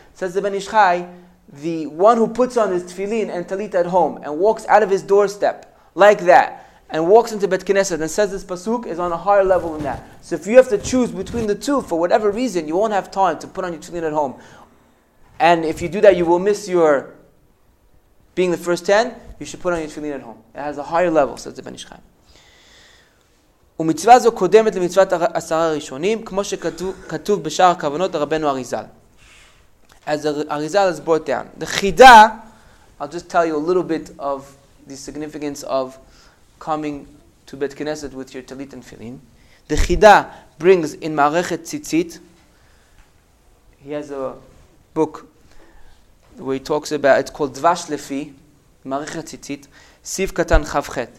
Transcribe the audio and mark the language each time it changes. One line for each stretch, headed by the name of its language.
English: Says the Ben Ish Chai, the one who puts on his tefillin and talit at home and walks out of his doorstep like that and walks into Bet Knesset and says this pasuk is on a higher level than that. So if you have to choose between the two, for whatever reason, you won't have time to put on your tefillin at home. And if you do that, you will miss your being the first 10. You should put on your tefillin at home. It has a higher level, says the Ben Ish Chai.
Hebrew: ומצווה זו קודמת למצוות עשרה ראשונים, כמו שכתוב בשאר הכוונות הרבנו אריזל.
English: As Arizal has brought down. The Chida, I'll just tell you a little bit of the significance of coming to Bet Knesset with your Talit and Filin. The Chida brings in Ma'arechet Tzitzit, he has a book where he talks about, it's called Dvash Lefi, Ma'arechet Tzitzit, Siv Katan Chavchet.